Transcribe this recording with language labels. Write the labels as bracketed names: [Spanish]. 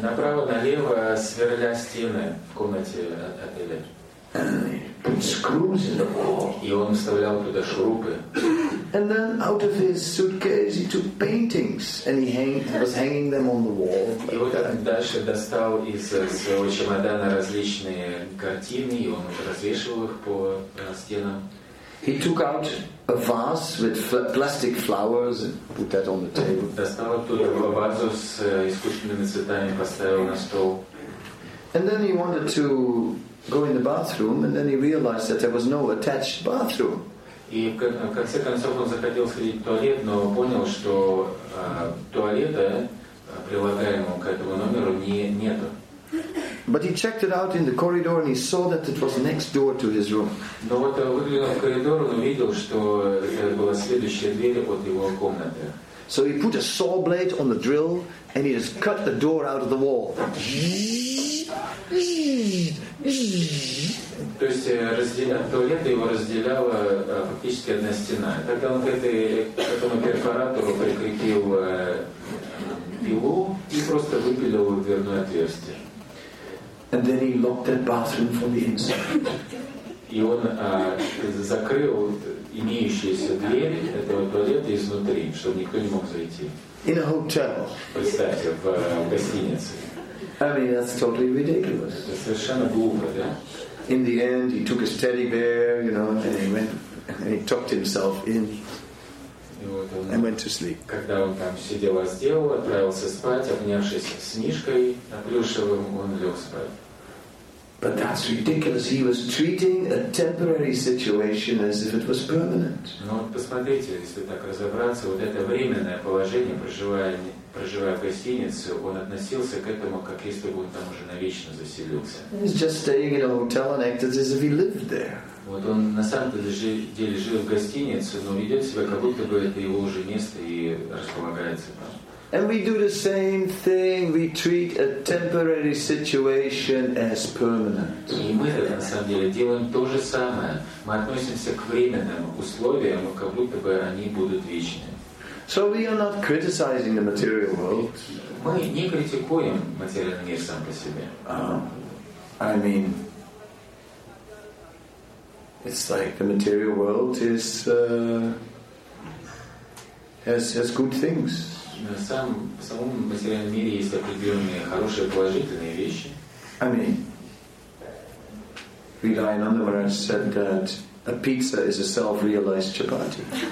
[Russian] Направо, налево сверля стены в комнате отеля. [English] And he put screws in the wall. [Russian] И он вставлял туда шурупы. [English] And then out of his suitcase he took paintings and he was hanging them on the wall. [Russian] И вот дальше достал из своего чемодана различные картины, и он развешивал их по стенам. [English] He took out a vase with plastic flowers and put that on the table. [Russian] Достал оттуда вазу с искусственными цветами, поставил на стол. [English] And then he wanted to go in the bathroom, and then he realized that there was no attached bathroom. [Russian] И в конце концов он захотел сходить в туалет, но понял, что туалета, прилагаемого к этому номеру, нету. [English] But he checked it out in the corridor and he saw that it was next door to his room. So he put a saw blade on the drill and he just cut the door out of the wall. [Russian] То есть разделял туалет, его разделяла фактически одна стена. Тогда он к этому перфоратору прикрепил пилу и просто выпилил дверное отверстие. [English] And then he locked that bathroom from the inside. [Russian] И он закрыл имеющиеся двери этого туалета изнутри, чтобы никто не мог зайти. [English] In a hotel. [Russian] Представьте, в гостинице. [English] I mean, that's totally ridiculous. [Russian] Это совершенно глупо, да? [English] In the end, he took his teddy bear, you know, and he went and he tucked himself in and went to sleep. [Russian] Когда он там все дела сделал, отправился спать, обнявшись с Мишкой, плюшевым, он лег спать. [English] But that's ridiculous. He was treating a temporary situation as if it was permanent. [Russian] Ну вот посмотрите, если так разобраться, вот это временное положение, проживая в гостинице, он относился к этому, как если бы он там уже навечно заселился. [English] He's just staying in a hotel and acted as if he lived there. [Russian] Вот он на самом деле жил в гостинице, но ведет себя, как будто бы это его уже место и располагается там. [English] And we do the same thing. We treat a temporary situation as permanent. [Russian] И мы это на самом деле делаем то же самое. Мы относимся к временным условиям, как будто бы они будут вечными. [English] So we are not criticizing the material world. [Russian] Мы не критикуем материальный мир сам по себе. [English] I mean, it's like the material world is has good things. [Russian] В самом материальном мире есть определенные хорошие положительные вещи. [English] I mean, Vidya Nandamura said that a pizza is a self-realized chapati.